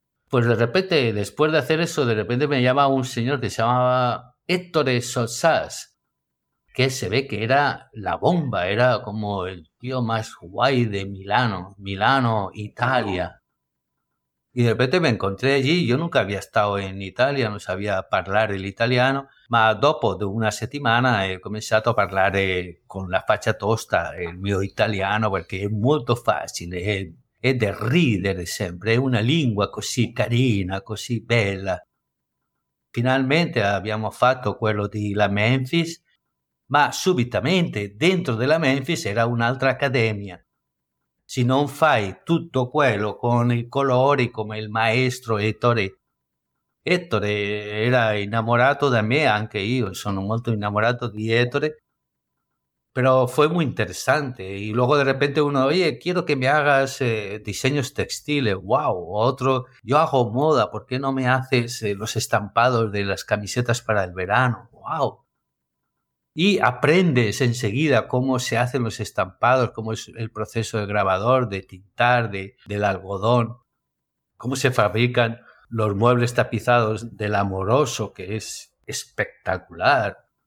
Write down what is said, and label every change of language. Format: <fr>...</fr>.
<es>Pues de repente, después de hacer eso, de repente me llama un señor que se llamaba Héctor Sosas, que se ve que era la bomba, era como el tío más guay de Milano, Italia. Y de repente me encontré allí, yo nunca había estado en Italia, no sabía hablar el italiano.</es> <it>Ma dopo de una settimana he cominciato a parlare con la faccia tosta il mio italiano, perché è molto facile, è da ridere sempre, è una lingua così carina, così bella. Finalmente abbiamo fatto quello di la Memphis, ma subitamente dentro della Memphis era un'altra accademia. Se non fai tutto quello con i colori come il maestro Ettore era innamorato da me, anche io sono molto innamorato di Ettore, però</it> <es>fue muy interesante. Y luego de repente uno, oye, quiero que me hagas diseños textiles. Wow, otro, yo hago moda, ¿por qué no me haces los estampados de las camisetas para el verano? Wow. Y aprendes enseguida cómo se hacen los estampados, cómo es el proceso de grabador, de tintar, del algodón, cómo se fabrican los muebles tapizados del amoroso, que es espectacular.</es>